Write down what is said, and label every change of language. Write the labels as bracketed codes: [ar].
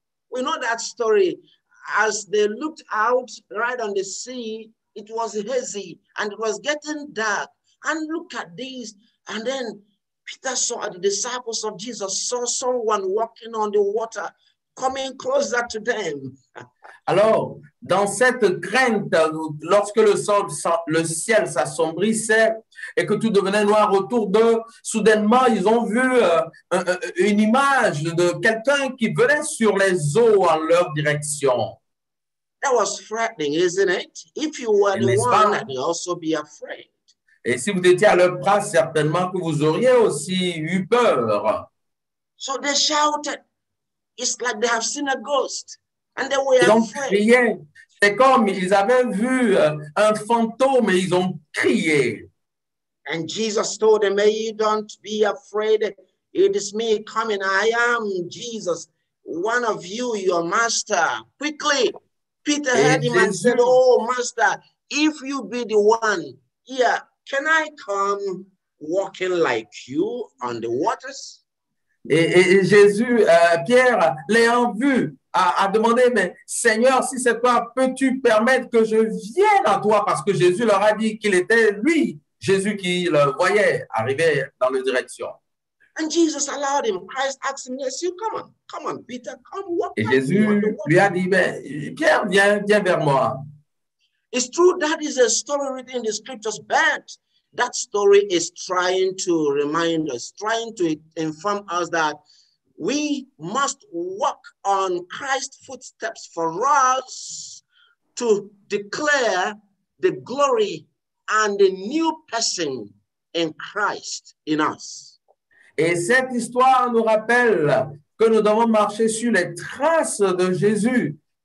[en] We know that story. As they looked out right on the sea, it was hazy and it was getting dark. And look at this. And then Peter saw the disciples of Jesus saw someone walking on the water, coming closer to them. [fr] Alors, dans cette crainte, lorsque le ciel s'assombrissait et que tout devenait noir autour d'eux, soudainement, ils ont vu une image de quelqu'un qui venait sur les eaux en leur direction. [en] That was frightening, isn't it? If you were the one, you'd also be afraid. [fr] Et si vous étiez à leur bras, certainement que vous auriez aussi eu peur. [en] So they shouted, it's like they have seen a ghost, and they were afraid. [fr] Ils ont crié. C'est comme ils avaient vu un fantôme et ils ont crié. [en] And Jesus told them, "May you don't be afraid. It is me coming. I am Jesus, one of you, your master." Quickly, Peter heard him and said, "Oh, master, if you be the one, yeah." Can I come walking like you on the waters? [fr] Et Jésus, Pierre, l'ayant vu, a demandé, mais Seigneur, si c'est toi, peux-tu permettre que je vienne à toi? Parce que Jésus leur a dit qu'il était lui, Jésus qui le voyait arriver dans la direction. [en] And Jesus allowed him. Christ asked him, yes, you come on, Peter, come walk. [fr] Et Jésus lui a dit, mais Pierre, viens vers moi. [en] It's true that is a story written in the scriptures, but that story is trying to remind us, trying to inform us that we must walk on Christ's footsteps for us to declare the glory and the new person in Christ in us. [fr] Et cette histoire nous rappelle que nous devons marcher sur les traces de Jésus.